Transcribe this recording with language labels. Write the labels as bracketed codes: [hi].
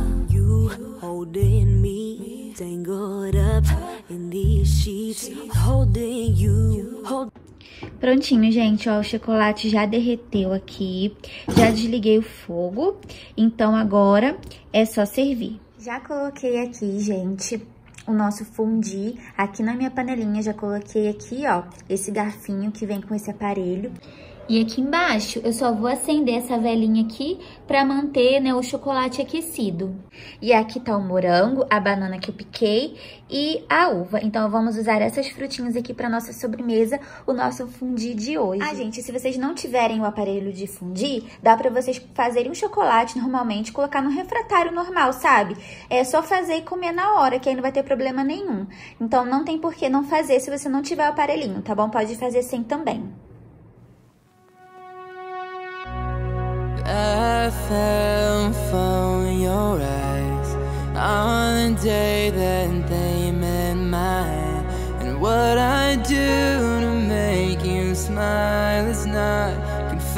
[en] You holding me, tangled up in these sheets. Holding you, hold... [pt] Prontinho, gente, ó, o chocolate já derreteu aqui, já desliguei o fogo, então agora é só servir. Já coloquei aqui, gente, o nosso fondue, aqui na minha panelinha, já coloquei aqui, ó, esse garfinho que vem com esse aparelho. E aqui embaixo, eu só vou acender essa velinha aqui pra manter, né, o chocolate aquecido. E aqui tá o morango, a banana que eu piquei e a uva. Então, vamos usar essas frutinhas aqui pra nossa sobremesa, o nosso fondue de hoje. Ah, gente, se vocês não tiverem o aparelho de fondue, dá pra vocês fazerem um chocolate normalmente, colocar no refratário normal, sabe? É só fazer e comer na hora, que aí não vai ter problema nenhum. Então, não tem por que não fazer se você não tiver o aparelhinho, tá bom? Pode fazer sem também. [en] I fell for your eyes on the day that they met mine. And what I do to make you smile is not confess.